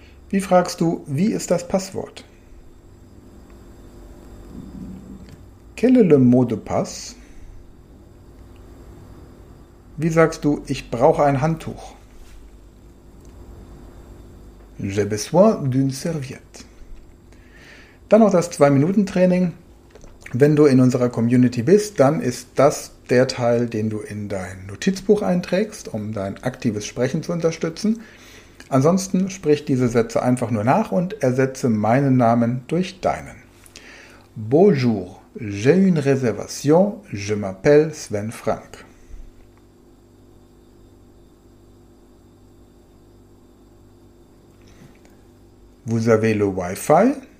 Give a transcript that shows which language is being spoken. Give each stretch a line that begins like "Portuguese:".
German: Wie fragst du, wie ist das Passwort?
French: Quel est le mot de passe?
German: Wie sagst du, ich brauche ein Handtuch?
French: J'ai besoin d'une serviette.
German: Dann noch das 2-Minuten-Training. Wenn du in unserer Community bist, dann ist das der Teil, den du in dein Notizbuch einträgst, um dein aktives Sprechen zu unterstützen. Ansonsten sprich diese Sätze einfach nur nach und ersetze meinen Namen durch deinen.
French: Bonjour, j'ai une réservation, je m'appelle Sven Frank. Vous avez le Wi-Fi?